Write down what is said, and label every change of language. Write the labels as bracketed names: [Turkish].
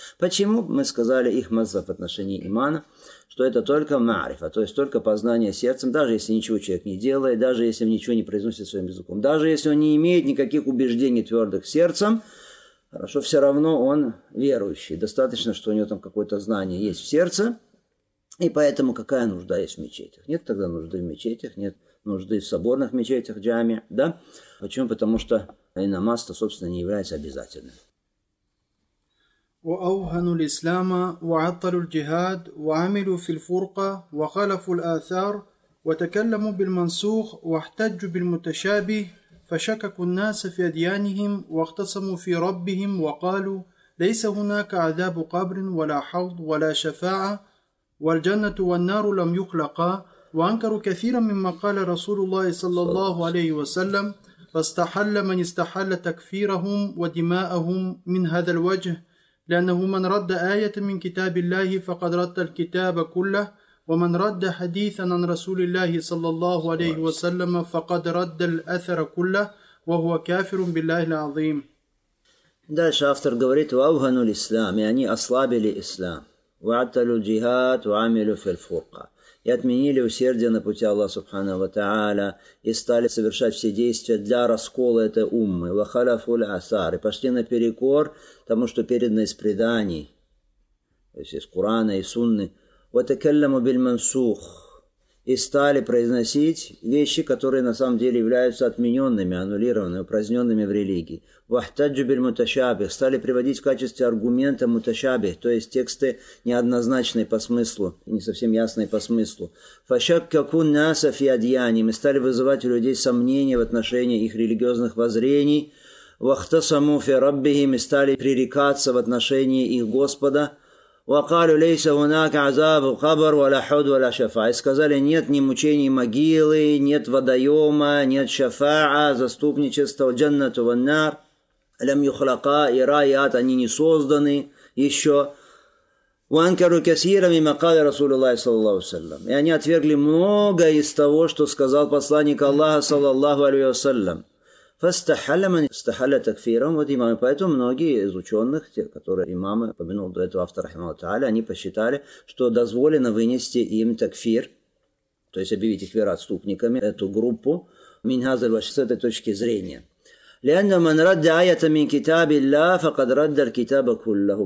[Russian] Почему мы сказали их мазаб в отношении имана? Что это только марифа, то есть только познание сердцем, даже если ничего человек не делает, даже если он ничего не произносит своим языком, даже если он не имеет никаких убеждений твердых сердцем, хорошо, все равно он верующий. Достаточно, что у него там какое-то знание есть в сердце, и поэтому какая нужда есть в мечетях? Нет тогда нужды в мечетях, нет нужды в соборных мечетях, джами, да? Почему? Потому что намаз-то, собственно, не является обязательным. [Arabic] وأوهنوا الإسلام وعطلوا الجهاد وعملوا في الفرقة وخالفوا الآثار وتكلموا بالمنسوخ واحتجوا بالمتشابه فشككوا الناس في أديانهم واختصموا في ربهم وقالوا ليس هناك عذاب قبر ولا حوض ولا شفاعة والجنة والنار لم يخلقا وأنكروا كثيرا مما قال رسول الله صلى الله عليه وسلم فاستحل من استحل تكفيرهم ودماءهم من هذا الوجه لأنه من رد آية من كتاب الله فقد رد الكتاب كله ومن رد حديثا عن رسول الله صلى الله عليه وسلم فقد رد الأثر كله وهو كافر بالله العظيم. [Russian] Дальше автор говорит: [Arabic] وأوهنوا الإسلام, [Russian] и они ослабили ислам, [Arabic] وعطلوا الجهاد وعملوا في الفرقة, [Russian] и отменили усердие на пути Аллаха Субханаху ва Тааля, и стали совершать все действия для раскола этой уммы, [Arabic] вахалафуль асар, [Russian] и пошли наперекор тому, что передано из преданий, то есть из Корана и Сунны, [Arabic] ватакалляму биль мансух, [Russian] и стали произносить вещи, которые на самом деле являются отмененными, аннулированными, упраздненными в религии. [Arabic] Вахтаджу биль муташабих, [Russian] стали приводить в качестве аргумента муташабих, то есть тексты неоднозначные по смыслу, не совсем ясные по смыслу. [Arabic] Фашаккаку наса фи адьяним, [Russian] стали вызывать у людей сомнения в отношении их религиозных воззрений. [Arabic] Вахтасаму фи раббихим, [Russian] стали пререкаться в отношении их Господа. [Arabic] وقالوا ليس هناك عذاب قبر ولا حوض ولا شفاعة. [Russian] Сказали, нет ни мучений могилы, нет водоема, нет шафаа, заступничества, [Arabic] джаннату ваннар, лям юхлака, [Russian] и рай, и ад, они не созданы еще. [Arabic] وانكروا كثيرا مما قال رسول الله صلى الله عليه وسلم. [Russian] И они отвергли много из того, что сказал посланник Аллаха [Arabic] صلى الله عليه وسلم. فَاسْتَحَلَّ مَنْ اسْتَحَلَّ تَكْفِيرًا [Russian] Вот имамы. Поэтому многие из ученых, те, которые имамы, упомянул до этого автор, они посчитали, что дозволено вынести им такфир, то есть объявить их вероотступниками, эту группу, с этой точки зрения. [Arabic] لأن من رد آية من كتاب الله فقد رد الكتاب كله.